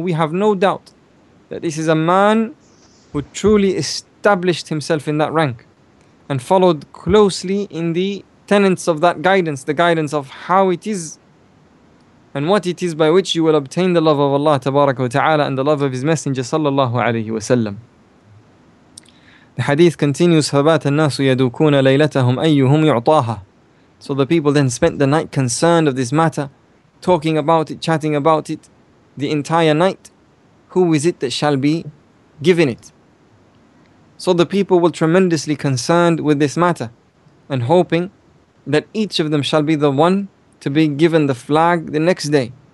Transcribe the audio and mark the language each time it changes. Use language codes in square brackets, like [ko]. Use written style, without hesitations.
[en] We have no doubt that this is a man who truly established himself in that rank and followed closely in the tenets of that guidance, the guidance of how it is and what it is by which you will obtain the love of Allah tabaraka wa ta'ala and the love of his Messenger sallallahu alayhi wa sallam. The hadith continues, [ar] فَبَاتَ النَّاسُ يَدُوكُونَ لَيْلَتَهُمْ أَيُّهُمْ يُعْطَاهَا. [en] So the people then spent the night concerned of this matter, talking about it, chatting about it the entire night. Who is it that shall be given it? So the people were tremendously concerned with this matter and hoping that each of them shall be the one to be given the flag the next day.